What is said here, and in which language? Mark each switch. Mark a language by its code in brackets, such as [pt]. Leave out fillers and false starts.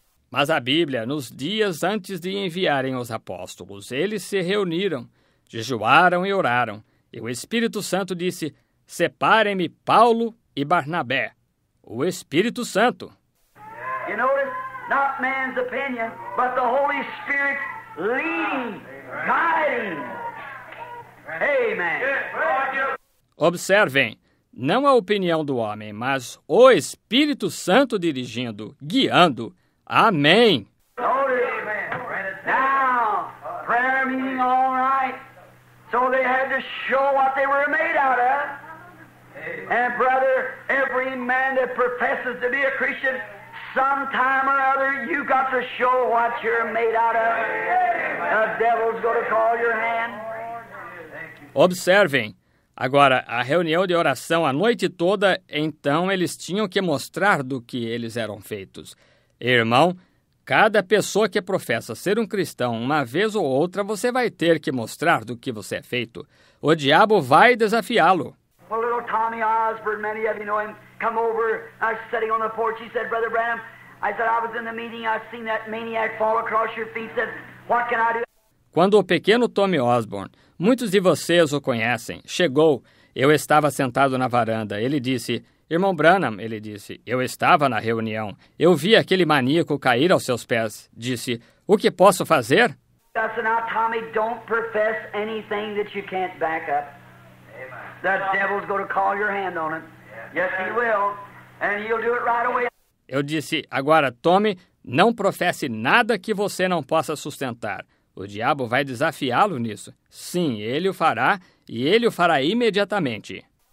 [pt] Mas a Bíblia, nos dias antes de enviarem os apóstolos, eles se reuniram. Jejuaram e oraram, e o Espírito Santo disse, separem-me Paulo e Barnabé, o Espírito Santo. [en] You notice, not man's opinion, but the Holy Spirit's leading, guiding. Amen. [pt] Observem, não a opinião do homem, mas o Espírito Santo dirigindo, guiando. Amém. [en] Notice, now, prayer meeting all right. So they had to show what they were made out of. And brother, every man that professes to be a Christian, sometime or other, you got to show what you're made out of. The devil's going to call your hand. [pt] Observem. Agora, a reunião de oração a noite toda, então eles tinham que mostrar do que eles eram feitos. Irmão, cada pessoa que professa ser um cristão, uma vez ou outra, você vai ter que mostrar do que você é feito. O diabo vai desafiá-lo. [en] Well, little Tommy Osborne, many of you know him, come over, I was sitting on the porch, he said, Brother Branham, I said, I was in the meeting, I seen that maniac fall across your feet, he said, what can I do? [pt] Quando o pequeno Tommy Osborne, muitos de vocês o conhecem, chegou, eu estava sentado na varanda, ele disse, Irmão Branham, ele disse, eu estava na reunião. Eu vi aquele maníaco cair aos seus pés. Disse, o que posso fazer? [en] Now, Tommy, don't profess anything that you can't back up. The devil's going to call your hand on it. Yes, he will. And he'll do it right away. [pt] Eu disse, agora, Tommy, não professe nada que você não possa sustentar. O diabo vai desafiá-lo nisso. Sim, ele o fará, e ele o fará imediatamente.